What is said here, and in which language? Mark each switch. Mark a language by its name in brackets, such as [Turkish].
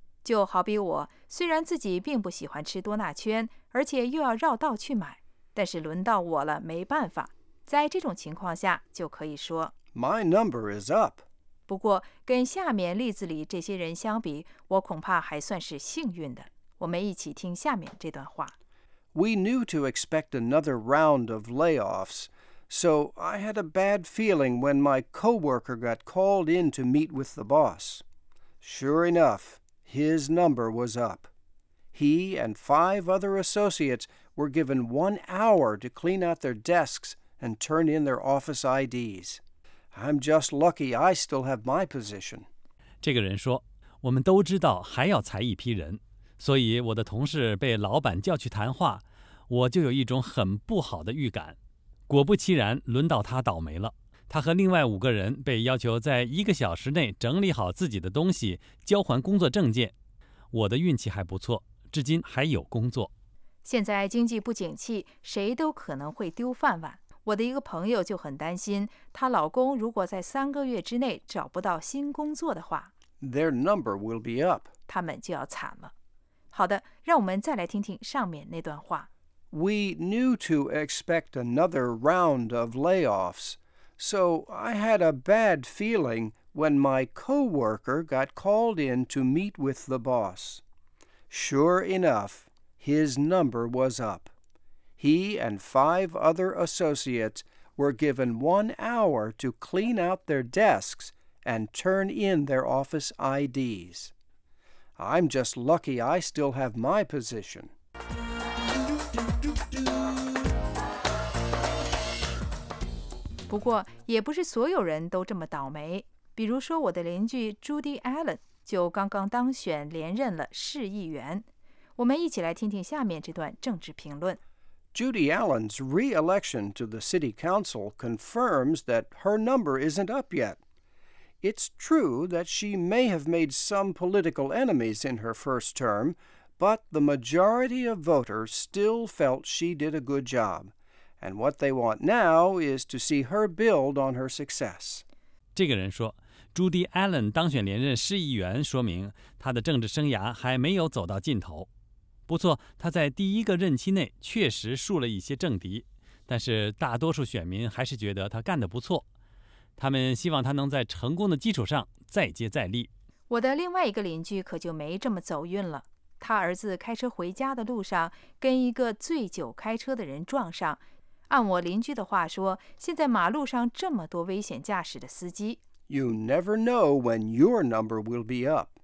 [Chinese] 就好比我虽然自己并不喜欢吃多纳圈，而且又要绕道去买，但是轮到我了，没办法。在这种情况下，就可以说 [English] My number is up. [Chinese] 不过跟下面例子里这些人相比，我恐怕还算是幸运的。我们一起听下面这段话。 [English] We knew to expect another round of layoffs, so I had a bad feeling when my coworker got called in to meet with the boss. Sure enough,His number was up. He and five other associates were given 1 hour to clean out their desks and turn in their office IDs. I'm just lucky I still have my position. [Chinese] 这个人说，我们都知道还要裁一批人，所以我的同事被老板叫去谈话，我就有一种很不好的预感。果不其然，轮到他倒霉了。他和另外五个人被要求在一个小时内整理好自己的东西，交还工作证件。我的运气还不错，至今还有工作。现在经济不景气，谁都可能会丢饭碗。我的一个朋友就很担心，她老公如果在3个月之内找不到新工作的话 [English] ，Their number will be up. [Chinese] 他们就要惨了。好的，让我们再来听听上面那段话。 [English] We knew to expect another round of layoffs. So I had a bad feeling when my coworker got called in to meet with the boss. Sure enough, his number was up. He and five other associates were given 1 hour to clean out their desks and turn in their office IDs. I'm just lucky I still have my position. [Chinese] 不过也不是所有人都这么倒霉，比如说我的邻居 Judy Allen 就刚刚当选连任了市议员。我们一起来听听下面这段政治评论。 [English] Judy Allen's re-election to the city council confirms that her number isn't up yet. It's true that she may have made some political enemies in her first term, but the majority of voters still felt she did a good job. And what they want now is to see her build on her success. [Chinese] 这个人说 ,Judy Allen 当选连任市议员说明她的政治生涯还没有走到尽头。不错，她在第一个任期内确实树了一些政敌，但是大多数选民还是觉得她干得不错。他们希望她能在成功的基础上再接再厉。我的另外一个邻居可就没这么走运了。他儿子开车回家的路上跟一个醉酒开车的人撞上，按我邻居的话说，现在马路上这么多危险驾驶的司机。 [English] You never know when your number will be up.